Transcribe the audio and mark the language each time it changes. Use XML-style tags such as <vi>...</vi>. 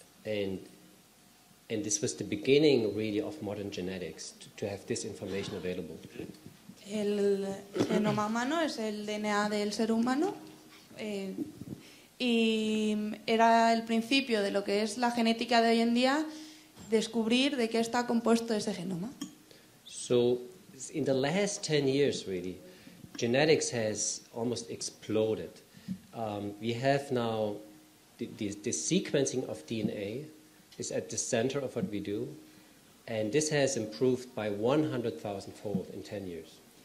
<en>And this was the beginning really of modern genetics to have this information available.</en> <es>El genoma humano es el DNA del ser humano y era el principio de lo que es la genética de hoy en día descubrir de qué está compuesto ese genoma.</es> <en>So, in the last 10 years, really, genetics has almost exploded. We have now the sequencing of DNA is at the center of what we do, and this has improved by 100,000-fold in 10 years.</en>